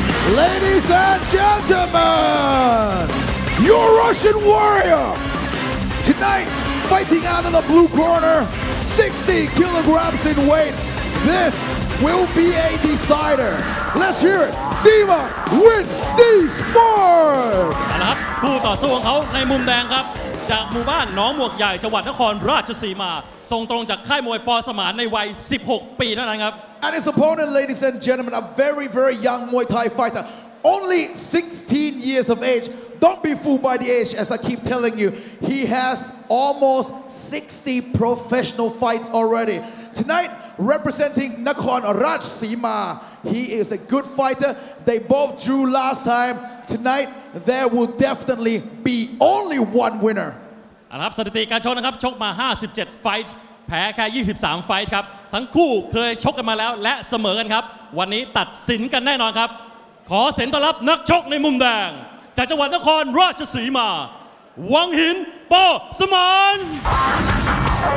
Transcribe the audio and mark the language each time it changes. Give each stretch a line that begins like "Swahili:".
English: Ladies and gentlemen, your Russian warrior, tonight fighting out of the blue corner, 60 kilograms in weight, this will be a decider. Let's hear it, Dima Windy Sport!
Thai: เอาละครับคู่ต่อสู้ของเขาในมุมแดงครับจากหมู่บ้านหนองหมวกใหญ่จังหวัดนครราชสีมาส่งตรงจากค่ายมวยปอสมานในวัย16ปีเท่านั้นครับ
English: And his opponent, ladies and gentlemen, a very, very young Muay Thai fighter. Only 16 years of age. Don't be fooled by the age, as I keep telling you. He has almost 60 professional fights already. Tonight, representing Nakhon Raj Sima, he is a good fighter. They both drew last time. Tonight, there will definitely be only one winner. And up,
Thai: สถิติการชกนะครับชกมา57 fightsแพ้แค่23ไฟต์ครับทั้งคู่เคยชกกันมาแล้วและเสมอกันครับวันนี้ตัดสินกันแน่นอนครับขอเสียงต้อนรับนักชกในมุมแดงจากจังหวัดนครราชสีมาวังหินปอสมาน